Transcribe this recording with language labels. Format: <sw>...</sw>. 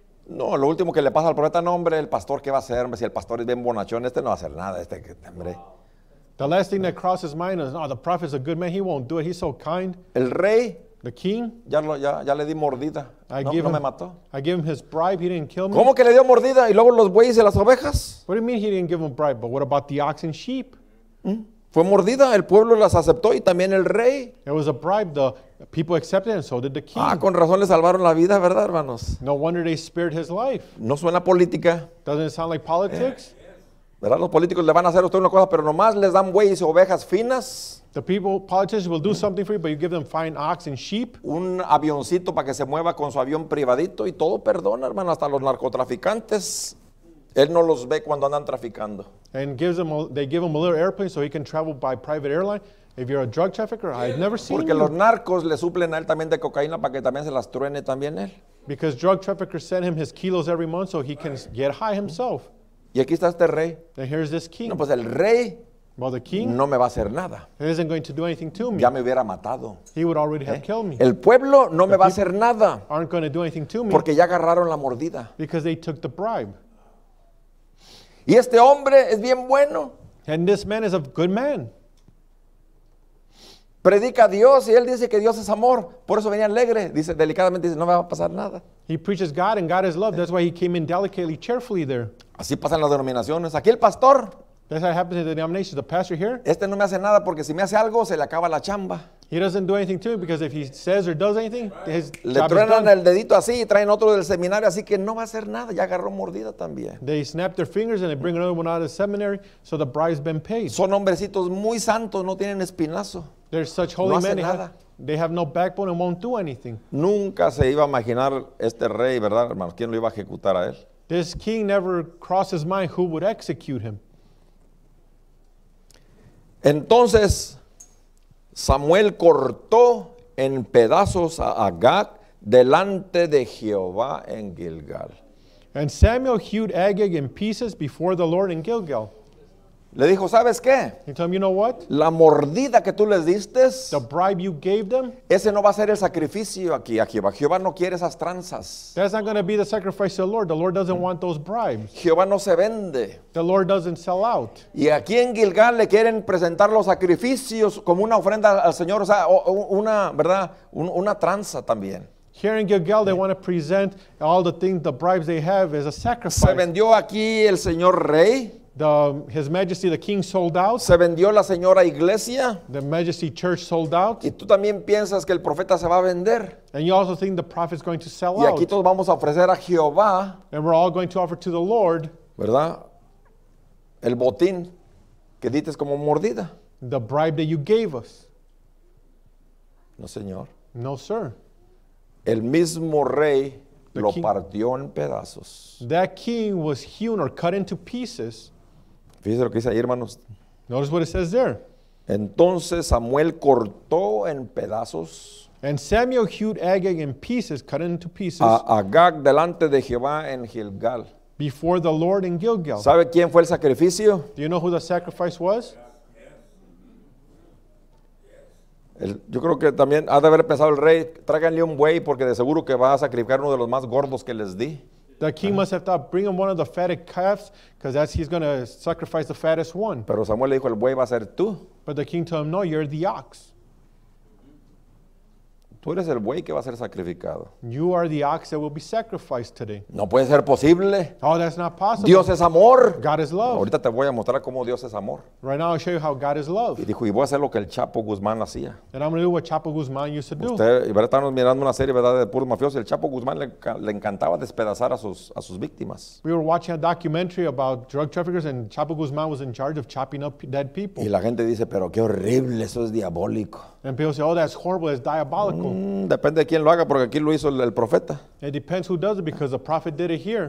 <es>No, lo último que le pasa al profeta, no, hombre, el pastor, ¿qué va a hacer? Si el pastor es bien bonachón, este no va a hacer nada, este, hombre.</es> <en>The last thing that crosses mind is, the prophet's a good man, he won't do it, he's so kind.</en> <es>El rey,</es> <en>the king,</en> <es>ya le di mordida, no me mató.</es> <en>I gave him his bribe, he didn't kill me.</en> <es>¿Cómo que le dio mordida y luego los bueyes y las ovejas?</es> <en>What do you mean he didn't give him bribe, but what about the ox and sheep?</en> <es>Fue mordida, el pueblo las aceptó y también el rey.</es> <en>It was a bribe, the people accepted it, and so did the king.</en> <es>Ah, con razón le salvaron la vida, ¿verdad, hermanos?</es> <en>No wonder they spared his life.</en> <es>No suena política.</es> <en>Doesn't it sound like politics?</en> <es>¿Verdad? Los políticos le van a hacer a usted una cosa, pero nomás les dan bueyes y ovejas finas.</es> <en>The people, politicians will do something for you, but you give them fine ox and sheep.</en> <es>Un avioncito para que se mueva con su avión privadito y todo perdona, hermano, hasta los narcotraficantes. Él no los ve cuando andan traficando.</es> <en>And they give him a little airplane so he can travel by private airline. If you're a drug trafficker, I've never seen</en> <es>porque</es> <en>you.</en> <es>Porque los narcos le suplen a él también de cocaína para que también se las truene también él.</es> <en>Because drug traffickers send him his kilos every month so he can get high himself.</en> <es>Y aquí está este rey.</es> <en>And here's this king.</en> <es>No, pues el rey.</es> <en>Well, the king.</en> <es>No me va a hacer nada.</es> <en>He isn't going to do anything to me.</en> <es>Ya me hubiera matado.</es> <en>He would already have killed me.</en> <es>El pueblo no me va a hacer nada.</es> <en>Aren't going to do anything to me.</en> <es>Porque ya agarraron la mordida.</es> <en>Because they took the bribe.</en> <es>Y este hombre es bien bueno.</es> <en>And this man is a good man.</en> <es>Predica a Dios y él dice que Dios es amor. Por eso venía alegre. Dice, delicadamente dice, no me va a pasar nada.</es> <en>He preaches God and God is love. That's why he came in delicately, cheerfully there.</en> <es>Así pasan las denominaciones. Aquí el pastor.</es> <en>That's how it happens in the denomination. The pastor here.</en> <es>Este no me hace nada porque si me hace algo, se le acaba la chamba.</es> <en>He doesn't do anything to me because if he says or does anything, his job is done.</en> <es>Le truenan el dedito así y traen otro del seminario, así que no va a hacer nada. Ya agarró mordida también.</es> <en>They snap their fingers and they bring another one out of the seminary, so the bribe's been paid.</en> <es>Son hombrecitos muy santos, no tienen espinazo.</es> <en>They're such holy</en> <es>no</es> <en>men.</en> <es>No hace nada.</es> <en>They have no backbone and won't do anything.</en> <es>Nunca se iba a imaginar este rey, ¿verdad, hermano? ¿Quién lo iba a ejecutar a él?</es> <en>This king never crossed his mind who would execute him.</en> <es>Entonces Samuel cortó en pedazos a Agag delante de Jehová en Gilgal.</es> <en>And Samuel hewed Agag in pieces before the Lord in Gilgal.</en> <es>Le dijo, ¿sabes qué?</es> <en>He told him, you know what?</en> <es>La mordida que tú les diste,</es> <en>the bribe you gave them,</en> <es>ese no va a ser el sacrificio aquí a Jehová. Jehová no quiere esas tranzas.</es> <en>That's not going to be the sacrifice of the Lord. The Lord doesn't want those bribes.</en> <es>Jehová no se vende.</es> <en>The Lord doesn't sell out.</en> <es>Y aquí en Gilgal le quieren presentar los sacrificios como una ofrenda al Señor. O sea, una, ¿verdad? Una tranza también.</es> <en>Here in Gilgal, they want to present all the things, the bribes they have as a sacrifice.</en> <es>Se vendió aquí el Señor Rey.</es> <en>His Majesty the King sold out.</en> <es>Se vendió la señora iglesia.</es> <en>The Majesty Church sold out.</en> <es>Y tú también piensas que el profeta se va a vender.</es> <en>And you also think the prophet's going to sell out.</en> <es>Y aquí todos vamos a ofrecer a Jehová.</es> <en>And we're all going to offer to the Lord.</en> <es>¿Verdad? El botín que dices como mordida.</es> <en>The bribe that you gave us.</en> <es>No, señor.</es> <en>No, sir.</en> <es>El mismo rey lo partió en pedazos.</es> <en>That king was hewn or cut into pieces.</en> <es>Fíjese lo que dice ahí, hermanos.</es> <en>Notice what it says there.</en> <es>Entonces Samuel cortó en pedazos.</es> <en>And Samuel hewed Agag in pieces, cut into pieces.</en> <es>A Agag delante de Jehová en Gilgal.</es> <en>Before the Lord in Gilgal.</en> <es>¿Sabe quién fue el sacrificio?</es> <en>Do you know who the sacrifice was?</en> <es>Yo creo que también ha de haber pensado el rey, tráiganle un buey porque de seguro que va a sacrificar uno de los más gordos que les di.</es> <en>The king must have thought, bring him one of the fatted calves, because that's he's going to sacrifice the fattest one.</en> <es>Pero Samuel le dijo, el buey va a ser tú.</es> <en>But the king told him, no, you're the ox.</en> <es>Tú eres el buey que va a ser sacrificado.</es> <en>You are the ox that will be sacrificed today.</en> <es>No puede ser posible.</es> <en>Oh, that's not possible.</en> <es>Dios es amor.</es> <en>God is love.</en> <es>Ahorita te voy a mostrar cómo Dios es amor.</es> <en>Right now I'll show you how God is love.</en> <es>Y dijo, y voy a hacer lo que el Chapo Guzmán hacía.</es> <en>And I'm going to do what Chapo Guzmán used to do.</en> <es>Usted, y verdad, estamos mirando una serie, verdad, de puros mafiosos. El Chapo Guzmán le encantaba despedazar a sus víctimas.</es> <en>We were watching a documentary about drug traffickers and Chapo Guzmán was in charge of chopping up dead people.</en> <es>Y la gente dice, pero qué horrible, eso es diabólico.</es> <en>And people say, oh, that's horrible, it's diabolical.</en> <es>Depende de quién lo haga, porque aquí lo hizo el profeta.</es> <en>It depends who does it, because the prophet did it here.</en>